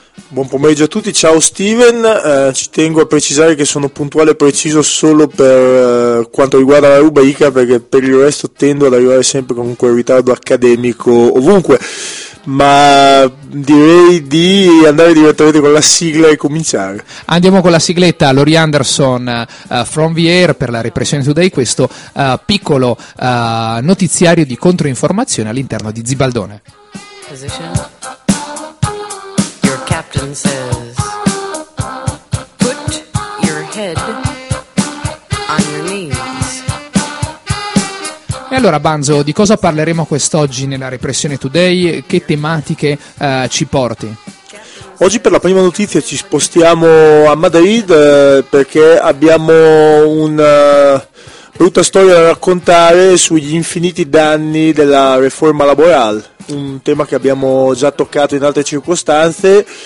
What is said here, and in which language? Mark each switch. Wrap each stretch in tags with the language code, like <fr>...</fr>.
<it>Buon pomeriggio a tutti, ciao Steven, ci tengo a precisare che sono puntuale e preciso solo per quanto riguarda la Ruba Ica, perché per il resto tendo ad arrivare sempre con quel ritardo accademico ovunque, ma direi di andare direttamente con la sigla e cominciare. Andiamo con la sigletta, Laurie Anderson, From the Air, per la Repressione Today, questo piccolo notiziario di controinformazione all'interno di Zibaldone.</it> <en>Position. Captain says, put your head on your knees.</en> <it>E allora Banzo, di cosa parleremo quest'oggi nella Repressione Today? Che tematiche ci porti? Oggi per la prima notizia ci spostiamo a Madrid perché abbiamo una brutta storia da raccontare sugli infiniti danni della riforma laborale, un tema che abbiamo già toccato in altre circostanze.</it>